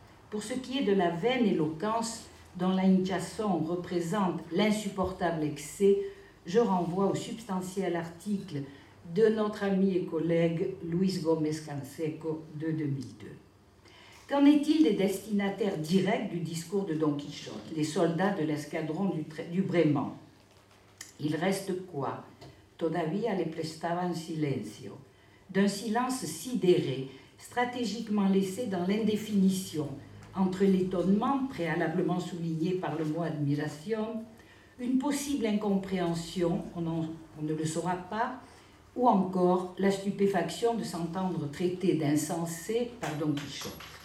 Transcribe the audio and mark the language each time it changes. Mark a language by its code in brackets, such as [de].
[fr] Pour ce qui est de la vaine éloquence dont la hinchazón représente l'insupportable excès, je renvoie au substantiel article de notre ami et collègue Luis Gómez Canseco de 2002. Qu'en est-il des destinataires directs du discours de Don Quichotte, les soldats de l'escadron du Bréman? Il reste quoi? [es] Todavía le prestaban silencio. [fr] D'un silence sidéré, stratégiquement laissé dans l'indéfinition, entre l'étonnement, préalablement souligné par le mot admiration, une possible incompréhension, on ne le saura pas, ou encore la stupéfaction de s'entendre traiter d'insensé par Don Quichotte.